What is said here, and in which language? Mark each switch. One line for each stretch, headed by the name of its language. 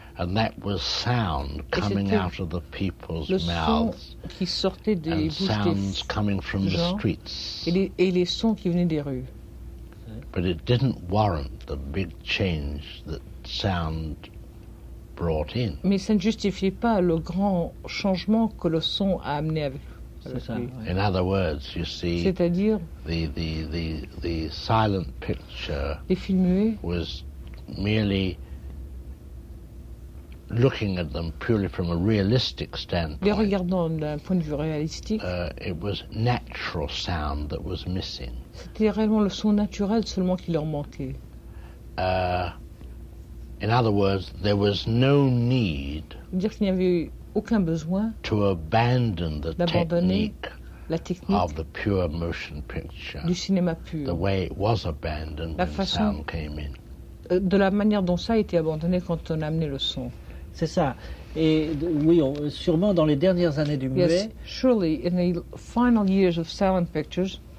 English: And that was sound coming out of the people's mouths.
French: Qui sortait des bouches.
English: And sounds coming from the streets.
French: Et les sons qui venaient des rues.
English: But it didn't warrant the big change that sound brought in.
French: Mais ça ne justifiait pas le grand changement que le son a amené avec.
English: In other words, you see.
French: C'est-à-dire.
English: The silent picture.
French: Les films muets.
English: Was merely looking at them purely from a realistic standpoint.
French: Les regardant d'un point de vue réalistique.
English: It was natural sound that was missing.
French: C'était réellement le son naturel seulement qui leur manquait.
English: In other words, there was no need.
French: Dire qu'il n'y avait aucun besoin.
English: To abandon the technique.
French: La technique.
English: Of the pure motion picture.
French: Du cinéma pur.
English: The way it was abandoned
French: la
English: when sound came in.
French: De la manière dont ça a été abandonné quand on a amené le son. C'est ça. Et oui, sûrement dans les dernières années du muet.
English: Yes, surely in the final years of silent pictures.